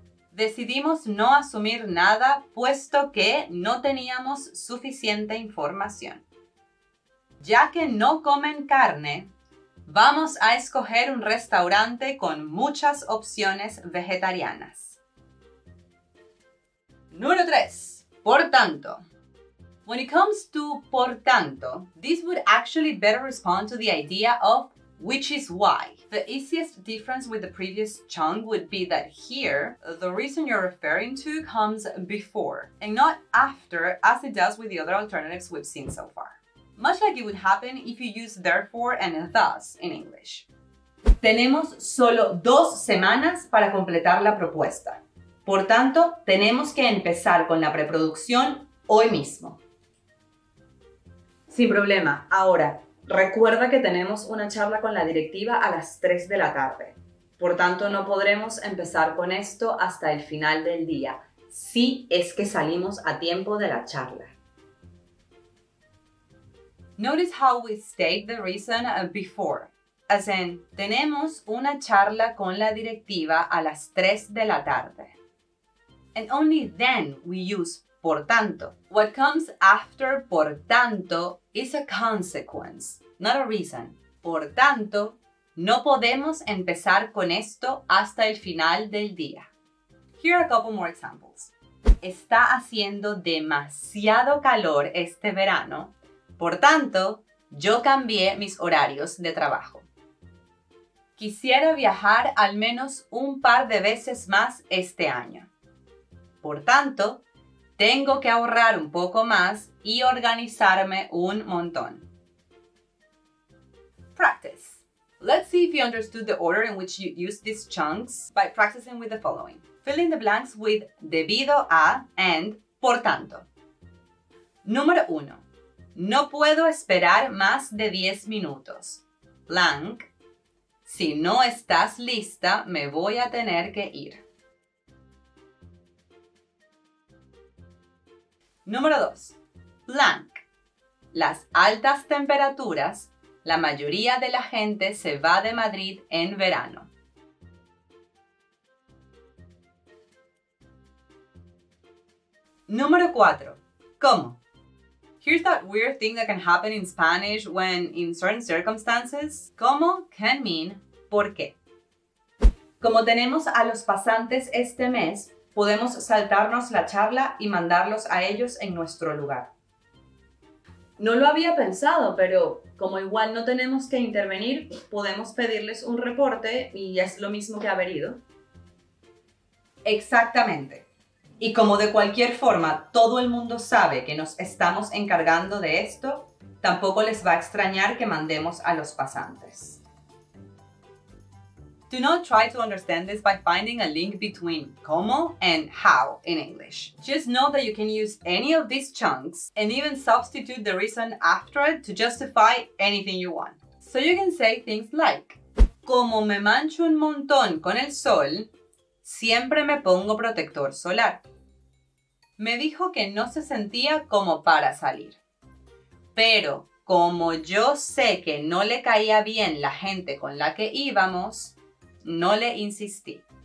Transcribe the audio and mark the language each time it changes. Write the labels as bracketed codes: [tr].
[es] Decidimos no asumir nada puesto que no teníamos suficiente información. Ya que no comen carne, vamos a escoger un restaurante con muchas opciones vegetarianas. Número 3. Por tanto. [en] When it comes to por tanto, this would actually better respond to the idea of which is why. The easiest difference with the previous chunk would be that here, the reason you're referring to comes before and not after, as it does with the other alternatives we've seen so far. Much like it would happen if you use therefore and thus in English. [es] Tenemos solo dos semanas para completar la propuesta. Por tanto, tenemos que empezar con la preproducción hoy mismo. Sin problema. Ahora, recuerda que tenemos una charla con la directiva a las 3 de la tarde. Por tanto, no podremos empezar con esto hasta el final del día, si es que salimos a tiempo de la charla. [en] Notice how we state the reason before, as in, [es] tenemos una charla con la directiva a las 3 de la tarde. [en] And only then we use por tanto. What comes after por tanto is a consequence, not a reason. [es] Por tanto, no podemos empezar con esto hasta el final del día. [en] Here are a couple more examples. [es] Está haciendo demasiado calor este verano. Por tanto, yo cambié mis horarios de trabajo. Quisiera viajar al menos un par de veces más este año. Por tanto, tengo que ahorrar un poco más y organizarme un montón. [en] Practice. Let's see if you understood the order in which you use these chunks by practicing with the following. Fill in the blanks with debido a and por tanto. [es] Número 1. No puedo esperar más de 10 minutos. [en] Blank. [es] Si no estás lista, me voy a tener que ir. Número 2. [en] Blank. [es] Las altas temperaturas, la mayoría de la gente se va de Madrid en verano. Número 4. ¿Cómo? [en] Here's that weird thing that can happen in Spanish when, in certain circumstances, ¿cómo? Can mean ¿por qué? [es] Como tenemos a los pasantes este mes, podemos saltarnos la charla y mandarlos a ellos en nuestro lugar. No lo había pensado, pero como igual no tenemos que intervenir, podemos pedirles un reporte y es lo mismo que haber ido. Exactamente. Y como de cualquier forma todo el mundo sabe que nos estamos encargando de esto, tampoco les va a extrañar que mandemos a los pasantes. [en] Do not try to understand this by finding a link between cómo and how in English. Just know that you can use any of these chunks and even substitute the reason after it to justify anything you want. So you can say things like, [es] como me mancho un montón con el sol, siempre me pongo protector solar. Me dijo que no se sentía como para salir. Pero como yo sé que no le caía bien la gente con la que íbamos, no le insistí.